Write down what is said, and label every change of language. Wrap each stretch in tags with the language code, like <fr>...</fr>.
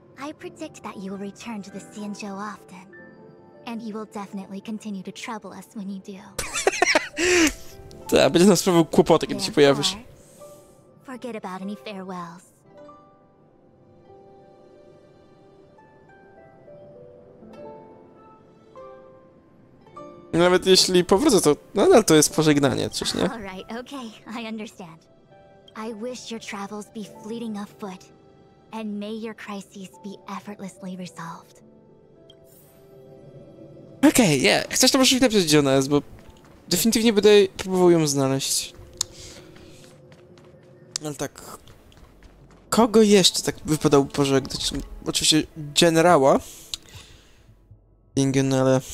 <en>I predict that you will return to the CNJO often. And you will definitely continue to trouble us when you do.</en> <pl>Tak, będzie nas sprawił kłopoty, kiedy się pojawisz.</pl> <en>Forget about any farewells.</en> <pl>Nawet jeśli powrócę, to nadal to jest pożegnanie, coś nie?</pl> <en>All right, okay, I understand. I wish your travels be fleeting of foot, and may your crises be effortlessly resolved. Okej, okay, yeah.</en> <pl>Chcesz to może chwilę napisać, gdzie ona jest, bo definitywnie będę próbował ją znaleźć. Ale tak... Kogo jeszcze tak wypadał pożegnać? Oczywiście generała. Tingyun, ale...</pl>